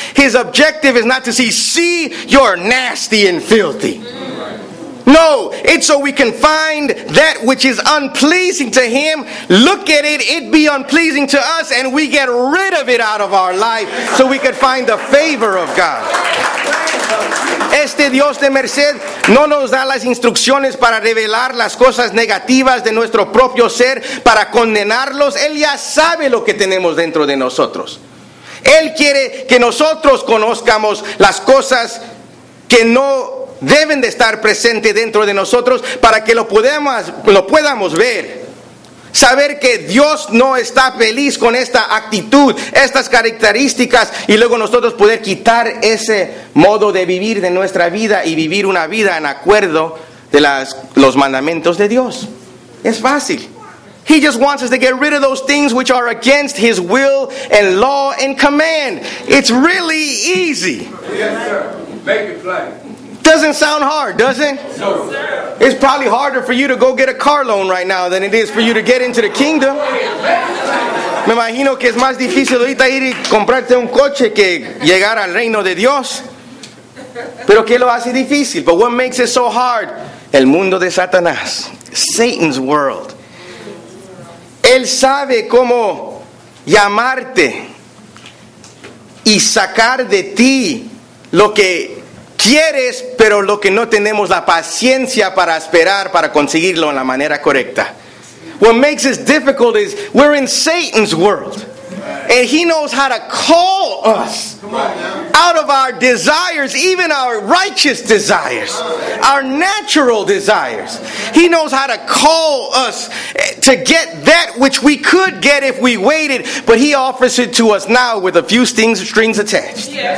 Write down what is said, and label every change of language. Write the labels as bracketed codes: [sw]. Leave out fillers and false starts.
[en] His objective is not to see you're nasty and filthy. No, it's so we can find that which is unpleasing to him. Look at it, it be unpleasing to us, and we get rid of it out of our life so we can find the favor of God. [es] Este Dios de merced no nos da las instrucciones para revelar las cosas negativas de nuestro propio ser, para condenarlos. Él ya sabe lo que tenemos dentro de nosotros. Él quiere que nosotros conozcamos las cosas que no deben de estar presentes dentro de nosotros, para que lo podamos ver. Saber que Dios no está feliz con esta actitud, estas características, y luego nosotros poder quitar ese modo de vivir de nuestra vida y vivir una vida en acuerdo de los mandamientos de Dios. Es fácil. [en] He just wants us to get rid of those things which are against his will and law and command. It's really easy. Yes, sir. Make it plain. Doesn't sound hard, does it? No, sir. It's probably harder for you to go get a car loan right now than it is for you to get into the kingdom. [es] Me imagino que es más difícil ahorita ir y comprarte un coche que llegar al reino de Dios. Pero ¿qué lo hace difícil? [en] But what makes it so hard? [es] El mundo de Satanás. [en] Satan's world. [es] Él sabe cómo llamarte y sacar de ti lo que quieres, pero lo que no tenemos la paciencia para esperar para conseguirlo en la manera correcta. [en] What makes it difficult is we're in Satan's world. And he knows how to call us out of our desires, even our righteous desires, our natural desires. He knows how to call us to get that which we could get if we waited, but he offers it to us now with a few strings attached.